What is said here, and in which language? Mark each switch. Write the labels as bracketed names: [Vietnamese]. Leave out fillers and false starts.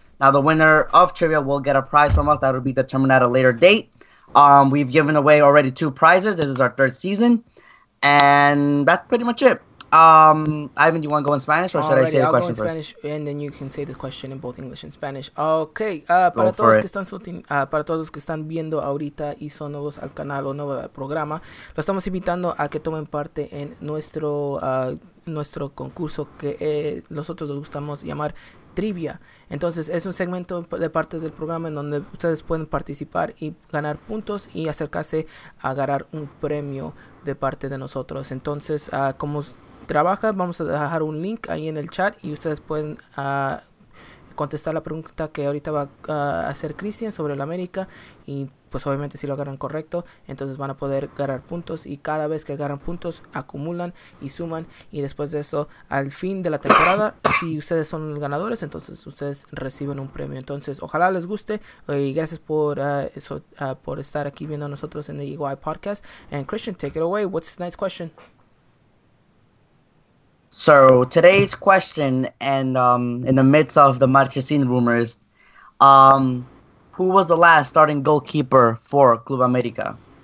[English] Now, the winner of trivia will get a prize from us that will be determined at a later date. We've given away already 2 prizes. This is our 3rd season. And that's pretty much it. Ivan, do you want to go in Spanish, or should I say the question first? I'll go in Spanish, and then you can say the question in both English and Spanish. Okay. [Spanish] Para todos que están viendo ahorita y son nuevos al canal o nuevo al programa, los estamos invitando a que tomen parte en nuestro concurso que nosotros nos gustamos llamar Trivia. Entonces, es un segmento de parte del programa en donde ustedes pueden participar y ganar puntos y acercarse a ganar un premio de parte de nosotros. Entonces, como trabaja, vamos a dejar un link ahí en el chat y ustedes pueden contestar la pregunta que ahorita va a hacer Christian sobre el América, y pues obviamente si lo agarran correcto, entonces van a poder ganar puntos, y cada vez que agarran puntos acumulan y suman, y después de eso, al fin de la temporada, si ustedes son ganadores, entonces ustedes reciben un premio. Entonces ojalá les guste, y gracias por estar aquí viendo a nosotros en el EY Podcast. [English] And Christian, take it away, what's tonight's question? So, today's question, and in the midst of the Marchesin rumors, who was the last starting goalkeeper for Club America?